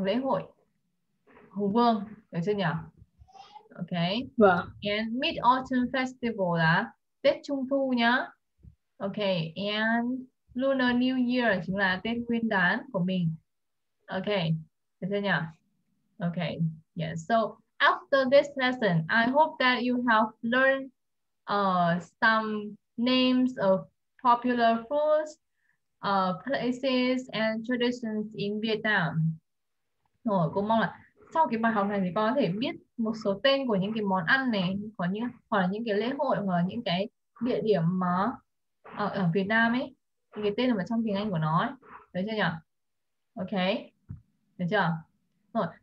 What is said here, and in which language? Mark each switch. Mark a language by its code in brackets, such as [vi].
[vi] Hoặc lễ hội Hùng Vương, được chưa nhỉ? Ok. Vâng. And Mid-Autumn Festival là Tết Trung Thu nhá. Ok, and Lunar New Year chính là Tết Nguyên Đán của mình. Ok, được chưa nhỉ? Ok, yes. Yeah. [en] So, after this lesson, I hope that you have learned some names of popular foods, places and traditions in Vietnam. [vi] Rồi, cô mong là sau cái bài học này thì con có thể biết một số tên của những cái món ăn này, có những hoặc là những cái lễ hội hoặc là những cái địa điểm mà ở Việt Nam ấy, những cái tên ở trong tiếng Anh của nó ấy. Đấy chưa nhỉ? Ok, được chưa? Rồi, thực